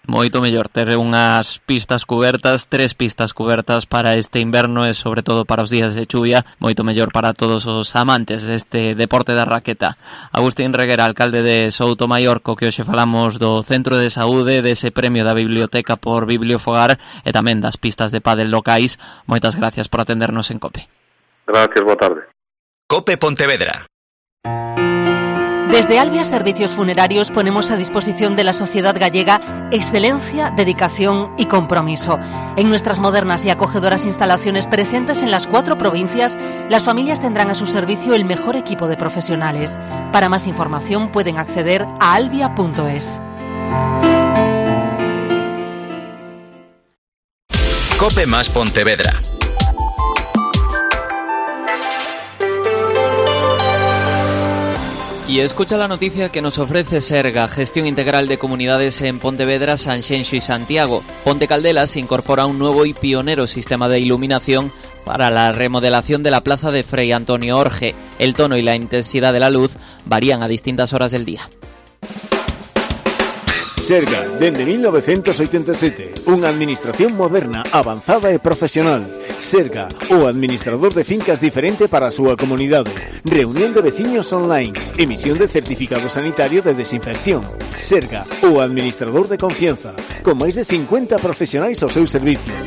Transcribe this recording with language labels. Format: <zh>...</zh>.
<gl>Moito mellor ter unhas pistas cubertas, tres pistas cubertas para este inverno e sobre todo para os días de chuvia, moito mellor para todos os amantes deste deporte da raqueta. Agustín Reguera, alcalde de Soutomaior, co que hoxe falamos do centro de saúde, dese premio da biblioteca por Bibliofogar e tamén das pistas de pádel locais, moitas gracias por atendernos en COPE. Gracias, boa tarde. COPE Pontevedra.</gl> <es>Desde Alvia Servicios Funerarios ponemos a disposición de la sociedad gallega excelencia, dedicación y compromiso. En nuestras modernas y acogedoras instalaciones presentes en las cuatro provincias, las familias tendrán a su servicio el mejor equipo de profesionales. Para más información pueden acceder a alvia.es. COPE más Pontevedra. Y escucha la noticia que nos ofrece Serga, gestión integral de comunidades en Pontevedra, Sanxenxo y Santiago. Ponte Caldelas incorpora un nuevo y pionero sistema de iluminación para la remodelación de la plaza de Fray Antonio Orge. El tono y la intensidad de la luz varían a distintas horas del día. Serga, desde 1987, una administración moderna, avanzada y profesional.</es> <gl>Serga, o administrador de fincas diferente para súa comunidade. Reunión de veciños online. Emisión de certificado sanitario de desinfección. Serga, o administrador de confianza. Con máis de 50 profesionais ao seu servicio.</gl>